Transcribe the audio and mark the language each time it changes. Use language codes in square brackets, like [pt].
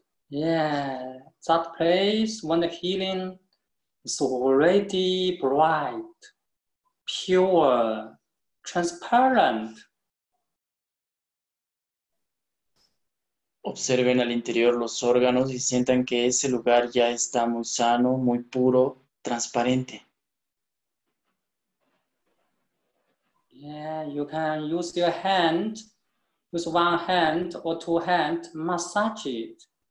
[en] Yeah, that place when the healing is already bright, pure, transparent. [es] Observen al interior los órganos y sientan que ese lugar ya está muy sano, muy puro, transparente. [en] Yeah, you can use your hand, use one hand or two hand, massage it.